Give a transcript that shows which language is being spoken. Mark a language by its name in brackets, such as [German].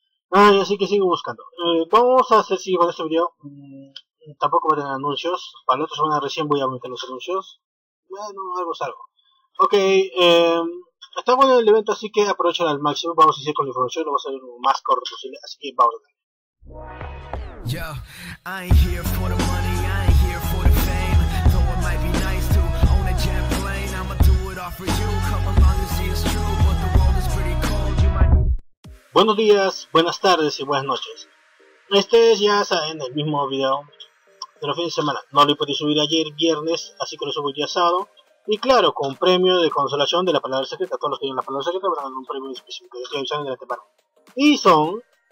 [Spanish] Ay, así que sigo buscando. Vamos a hacer, si sí, con este video. Tampoco voy a tener anuncios. Para la otra semana recién voy a meter los anuncios. Bueno, algo es algo. Ok, está bueno el evento, así que aprovechen al máximo. Vamos a seguir con la información. Lo voy a hacer lo más corto posible. Así que vamos a ver. [English] Yo, I ain't here for the money, I ain't here for the fame. Though it might be nice to own a jet plane, I'ma do it all for you. Come along and see it's true, but the world is pretty cold. You might. [Spanish] Buenos días, buenas tardes y buenas noches. Este es, ya saben, el mismo video de los fines de semana. No lo pude subir ayer viernes, así que lo subo el día sábado. Y claro, con un premio de consolación de la palabra secreta. Todos los que tienen la palabra secreta van a ganar un premio específico. Estoy avisando de la temporada. Y son...